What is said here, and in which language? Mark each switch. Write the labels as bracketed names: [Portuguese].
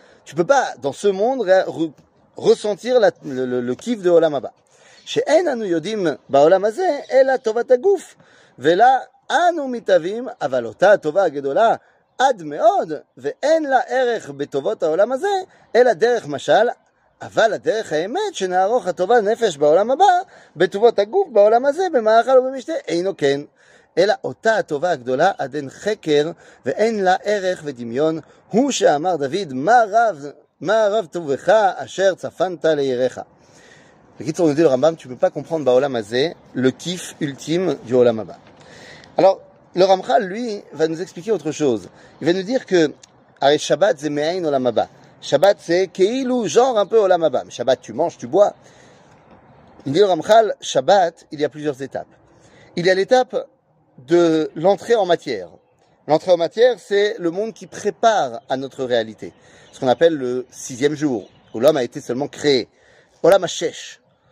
[French] Tu peux pas, dans ce monde, ressentir le kiff de עולם הבא. [Hebrew] שאין אנו יודעים בעולם הזה, אלא טובת הגוף. ולה אנו מתאבים, אבל אותה הטובה הגדולה עד מאוד, ואין לה ערך בטובות העולם הזה, אלא דרך משל, אבל הדרך האמת שנערוך הטובה נפש בעולם הבא, בטובות הגוף בעולם הזה, במאכל ובמשתה, אינו כן. אלא אותה הטובה הגדולה עד אין חקר ואין לה ערך ודמיון הוא שאמר דוד מה רב טובך אשר צפנת לעיריך בקיצור נדיד לרמב״ם [French] tu peux pas comprendre [Hebrew] בעולם הזה [French] le kiff ultime du [Hebrew] עולם הבא. [French] Alors le רמח״ל lui va nous expliquer autre chose. Il va nous dire que [Hebrew] הרי שבת זה מעין עולם הבא. שבת זה כאילו [French] genre un peu עולם הבא. שבת tu manges, tu bois. נדיד לרמח״ל שבת il y a plusieurs étapes. Il y a l'étape de l'entrée en matière. L'entrée en matière, c'est le monde qui prépare à notre réalité. Ce qu'on appelle le sixième jour, où l'homme a été seulement créé. Olam HaShesh.